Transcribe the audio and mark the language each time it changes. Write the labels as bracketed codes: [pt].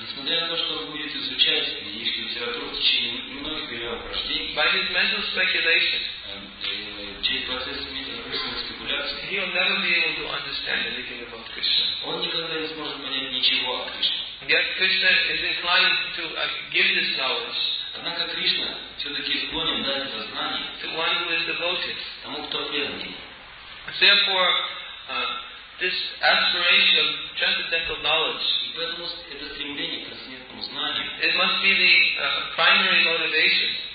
[ru] несмотря на то, что он будет изучать ведическую литературу в течение многих периодов прождения, [en] by his mental speculation, [ru] через процесс мысленной спекуляции, [en] he will never be able to understand anything about Krishna. [ru] Он никогда не сможет понять ничего о Кришне. [en] Yet Krishna is inclined to give this knowledge. [ru] Однако Кришна все-таки склонен дать это знание [en] to one who is devoted. [ru] Тому, кто предан ему. [en] Therefore, this aspiration of transcendental knowledge, it must be the primary motivation.